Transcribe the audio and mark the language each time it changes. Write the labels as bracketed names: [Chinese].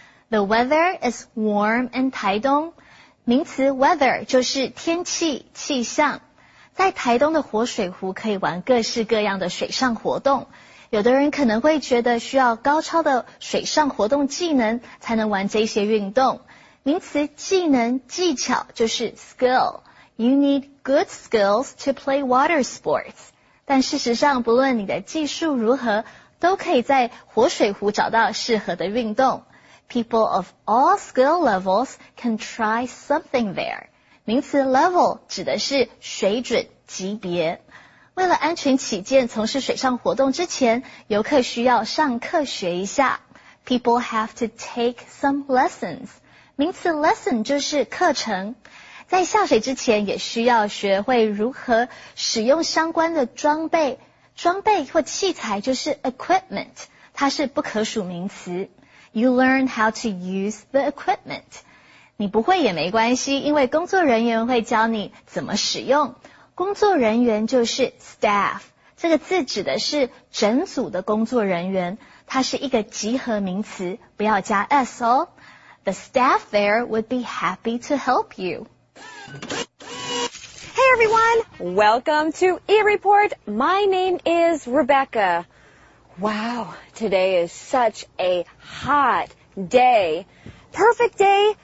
[English] The weather is warm in 台东。 [Chinese] 名词 weather 就是天气、气象。在台东的活水湖可以玩各式各样的水上活动，有的人可能会觉得需要高超的水上活动技能才能玩这些运动。名词技能、技巧就是 skill。 [English] You need good skills to play water sports. [Chinese] 但事实上，不论你的技术如何，都可以在活水湖找到适合的运动。 [English] People of all skill levels can try something there. [Chinese] 名词 level 指的是水准级别。为了安全起见，从事水上活动之前，游客需要上课学一下。 [English] People have to take some lessons. [Chinese] 名词 lesson 就是课程。在下水之前，也需要学会如何使用相关的装备。装备或器材就是 equipment， 它是不可数名词。 [English] You learn how to use the equipment. [Chinese] 你不会也没关系，因为工作人员会教你怎么使用。工作人员就是 staff， 这个字指的是整组的工作人员，它是一个集合名词，不要加 s 哦。 [English] The staff there would be happy to help you. Hey everyone, welcome to eReport. My name is Rebecca. Wow, today is such a hot day. Perfect day.